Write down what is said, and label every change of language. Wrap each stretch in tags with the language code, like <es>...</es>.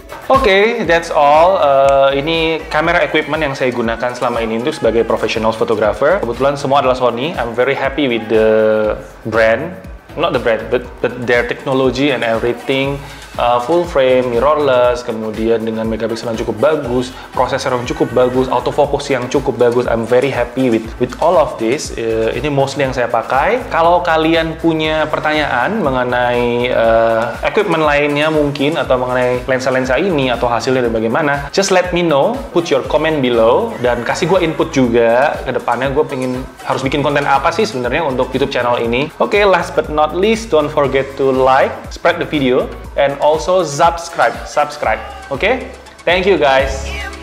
<id>Oke, okay, that's all. Ini kamera equipment yang saya gunakan selama ini untuk sebagai professional photographer. Kebetulan semua adalah Sony.</id> <en>I'm very happy with the brand. Not the brand, but their technology and everything.</en> <id>Full frame, mirrorless, kemudian dengan megapixel yang cukup bagus, processor yang cukup bagus, autofocus yang cukup bagus.</id> <en>I'm very happy with all of this.</en> <id>Ini mostly yang saya pakai. Kalau kalian punya pertanyaan mengenai equipment lainnya mungkin, atau mengenai lensa-lensa ini, atau hasilnya dan bagaimana,</id> <en>just let me know, put your comment below,</en> <id>dan kasih gue input juga. Kedepannya gue pengen harus bikin konten apa sih sebenarnya untuk YouTube channel ini.</id> <en>Oke, okay, last but not least, don't forget to like, spread the video, and also subscribe. Okay? Thank you guys. Yeah.</en>